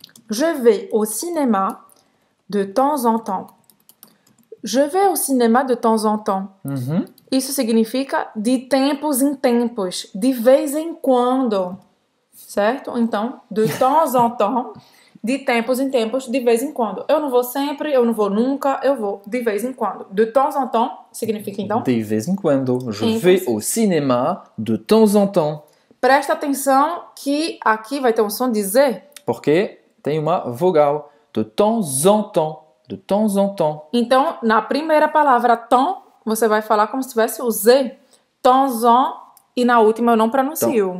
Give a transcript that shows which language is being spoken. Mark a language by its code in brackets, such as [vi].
[fr] Je vais au cinéma de temps en temps. Je vais au cinéma de temps en temps. Uhum. [pt] Isso significa de tempos em tempos. De vez em quando. Certo? Então, [fr] de temps en temps, [pt] de tempos em tempos, de vez em quando. Eu não vou sempre, eu não vou nunca, eu vou de vez em quando. [fr] De temps en temps [pt] significa então? De vez em quando. [fr] Je vais au cinéma de temps en temps. [pt] Presta atenção que aqui vai ter um som de Z. Porque tem uma vogal. [fr] De temps en temps. De temps en temps. [pt] Então, na primeira palavra temps, você vai falar como se tivesse o Z. [fr] Temps en, [pt] e na última eu não pronuncio.